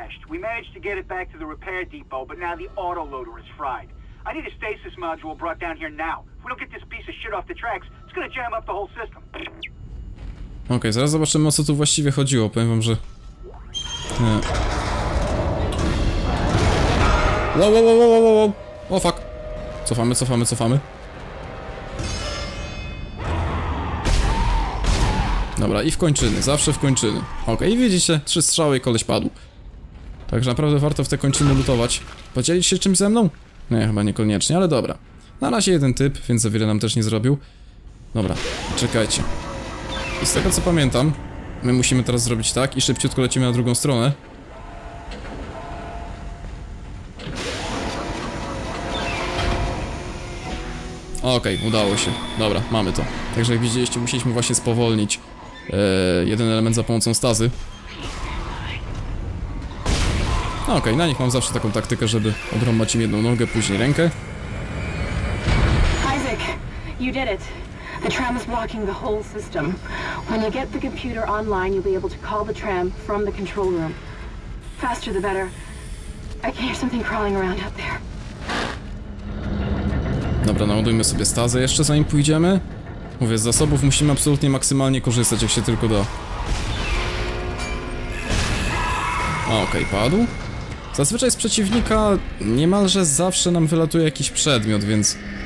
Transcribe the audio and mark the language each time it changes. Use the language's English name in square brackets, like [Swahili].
[English] We managed to get it back to the repair depot, but now the autoloader is fried. I need a stasis module brought down here now. If we don't get this piece of shit off the tracks, it's gonna jam up the whole system. [Polish] Okej, zaraz zobaczymy, o co tu właściwie chodziło. Powiem wam, że... Wow, wow, wow, wow, wow. [English] Oh, fuck. [Polish] Cofamy, cofamy, cofamy. Dobra, i w kończyny, zawsze w kończyny. Okej, widzicie, 3 strzały i koleś padł. Także naprawdę warto w te kończyny lutować. Podzielić się czymś ze mną? Nie, chyba niekoniecznie, ale dobra. Na razie jeden typ, więc za wiele nam też nie zrobił. Dobra, czekajcie. I z tego co pamiętam, my musimy teraz zrobić tak i szybciutko lecimy na drugą stronę. Okej, udało się. Dobra, mamy to. Także jak widzieliście, musieliśmy właśnie spowolnić jeden element za pomocą stazy. No okej, na nich mam zawsze taką taktykę, żeby odrąbać im jedną nogę, później rękę. [English] Isaac, you did it. The tram is blocking the whole system. When you get the computer online, you'll be able to call the tram from the control room. Faster the better. I can hear something crawling around up there. [Polish] Dobra, naładujmy sobie stazę jeszcze zanim pójdziemy. Mówię, z zasobów musimy absolutnie maksymalnie korzystać, jak się tylko da. Okej, padł. Zazwyczaj z przeciwnika niemalże zawsze nam wylatuje jakiś przedmiot, więc...